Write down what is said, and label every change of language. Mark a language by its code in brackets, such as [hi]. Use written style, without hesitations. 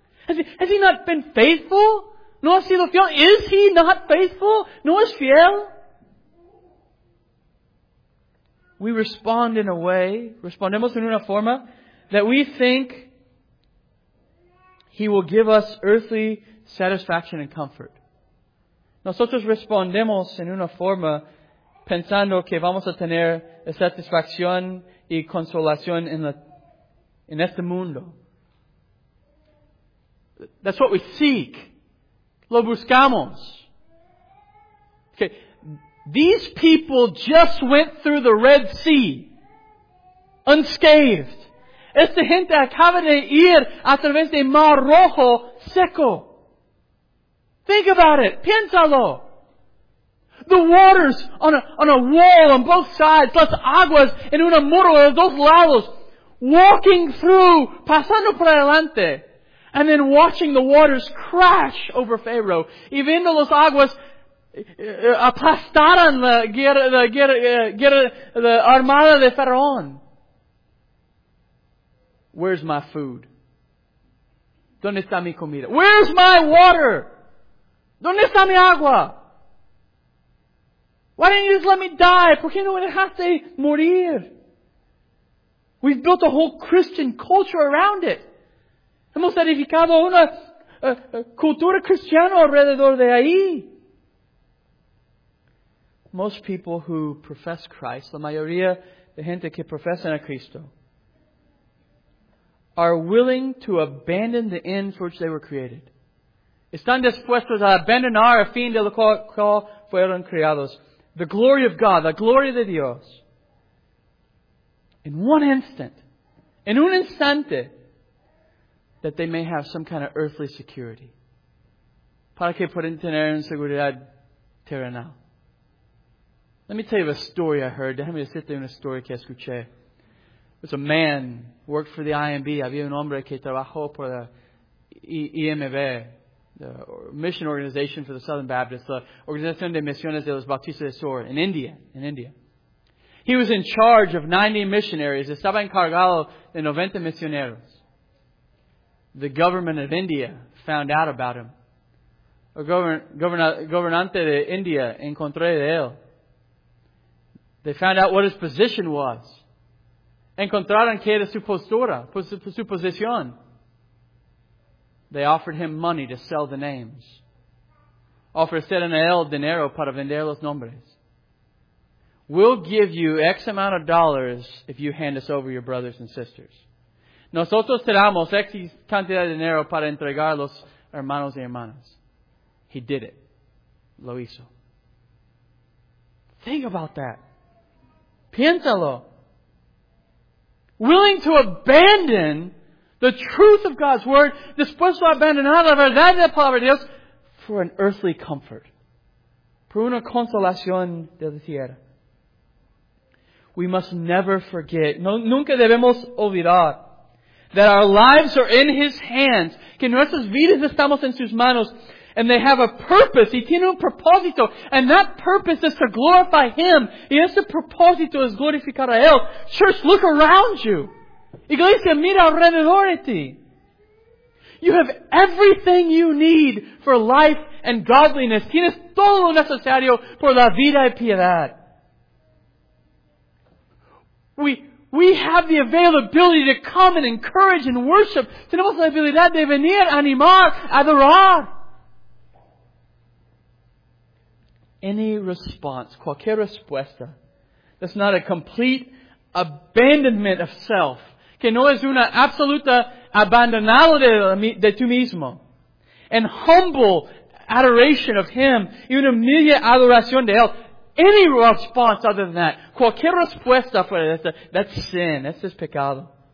[en] Has he not been faithful? [es] ¿No ha sido fiel? [en] Is He not faithful? [es] ¿No es fiel? [en] We respond in a way, [es] respondemos en una forma, [en] that we think He will give us earthly satisfaction and comfort. [es] Nosotros respondemos en una forma pensando que vamos a tener satisfacción y consolación en este mundo. [en] That's what we seek. [es] Lo buscamos. [en] Okay. These people just went through the Red Sea unscathed. [es] Esta gente acaba de ir a través de Mar Rojo seco. [en] Think about it. [es] Piénsalo. [en] The waters on a wall on both sides, [es] las aguas en una muro de dos lados. [en] Walking through, [es] pasando por adelante, [en] and then watching the waters crash over Pharaoh, [es] y viendo las aguas aplastaran la armada de Faraón. [en] Where's my food? [es] ¿Dónde está mi comida? [en] Where's my water? [es] ¿Dónde está mi agua? [en] Why didn't you just let me die? [es] ¿Por qué no me dejaste morir? [en] We've built a whole Christian culture around it. [es] Hemos edificado una cultura cristiana alrededor de ahí. [en] Most people who profess Christ, [es] la mayoría de gente que profesan a Cristo, [en] are willing to abandon the end for which they were created. [es] Están dispuestos a abandonar el fin de lo cual fueron creados. [en] The glory of God, [es] la gloria de Dios. [en] In one instant, in un instante, that they may have some kind of earthly security. [es] Para que puedan tener en seguridad terrenal. [en] Let me tell you a story I heard. [es] Déjame decirte una historia que escuché. [en] It was a man who worked for the IMB. [es] Había un hombre que trabajó por la IMB, [en] the Mission Organization for the Southern Baptists, [es] la Organización de Misiones de los Bautistas del Sur, in India. [en] He was in charge of 90 missionaries. [es] Estaba encargado de 90 misioneros. [en] The government of India found out about him. [es] El gobernante de India encontró de él. [en] They found out what his position was. [es] Encontraron que era su postura, su posición. [en] They offered him money to sell the names. [es] Ofrecieron a él dinero para vender los nombres. [en] We'll give you X amount of dollars if you hand us over your brothers and sisters. [es] Nosotros te damos X cantidad de dinero para entregar los hermanos y hermanas. [en] He did it. [es] Lo hizo. [en] Think about that. [es] Piénsalo. [en] willing to abandon the truth of God's Word, [es] dispuesto a abandonar la verdad de la palabra de Dios, [en] for an earthly comfort. [es] Por una consolación de la tierra. [en] We must never forget, [es] nunca debemos olvidar, [en] that our lives are in His hands, [es] que nuestras vidas estamos en sus manos, [en] and they have a purpose, [es] y tienen un propósito, [en] and that purpose is to glorify Him, [es] y ese propósito es glorificar a Él. [en] Church, look around you. [es] Iglesia, mira alrededor de ti. [en] You have everything you need for life and godliness. [es] Tienes todo lo necesario por la vida y piedad. [en] We have the availability to come and encourage and worship. [es] Tenemos la habilidad de venir, animar, adorar. [en] Any response, [es] cualquier respuesta, [en] that's not a complete abandonment of self, [es] que no es una absoluta abandonada de tú mismo, [en] and humble adoration of Him, [es] y una humilde adoración de Él, [en] any response other than that, [es] cualquier respuesta fuera de esta, [en] that's sin, that's just pecado.